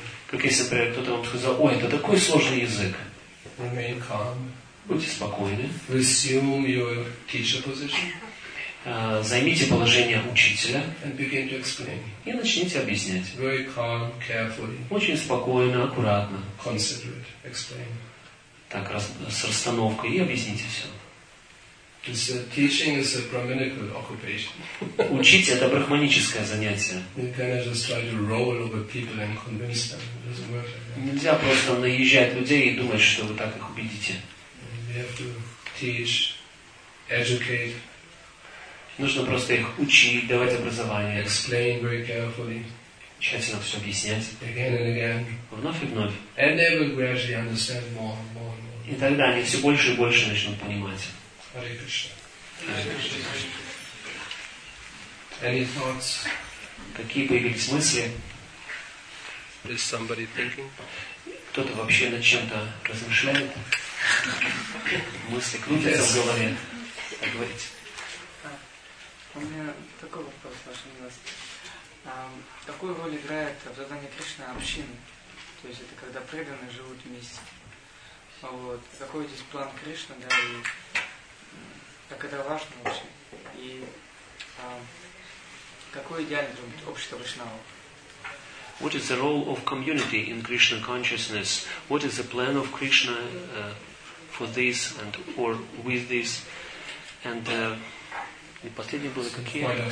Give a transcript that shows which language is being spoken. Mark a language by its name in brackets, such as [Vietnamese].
[Russian] Как если бы кто-то вам сказал, ой, это такой сложный язык. [English] Remain calm. [Russian] Будьте спокойны. [English] Resume your teacher position. [Russian] Займите положение учителя. [English] And begin to explain. [Russian] И начните объяснять. [English] Very calm, carefully. [Russian] Очень спокойно, аккуратно. [English] Considerate. Explain. [Russian] Так, с расстановкой и объясните все. [English] Teaching is a brahminical occupation. [Russian] Учить это брахманическое занятие. [English] You cannot just try to roll over people and convince them. It doesn't work like that. [Russian] Нельзя просто наезжать людей и думать, что вы так их убедите. [English] You have to teach, educate. [Russian] Нужно просто их учить, давать образование. [English] Explain very carefully. [Russian] Тщательно все объяснять. [English] Again and again. [Russian] Вновь и вновь. [English] And they will gradually understand more and more and more. [Russian] И тогда они все больше и больше начнут понимать. [English] Any thoughts? [Russian] Какие появились мысли? [English] Is somebody thinking? [Russian] Кто-то вообще над чем-то размышляет? Мысли крутятся в голове. Как говорите? У меня такой вопрос, ваша милость. Какую роль играет в задании Кришны общины? То есть это когда преданные живут вместе. Вот. Какой здесь план Кришны, да, и так это важно вообще. И какой идеальный общество Вайшнава? [English] What is the role of community in Krishna consciousness? What is the plan of Krishna for this and or with this? And [Russian] и последний был какие?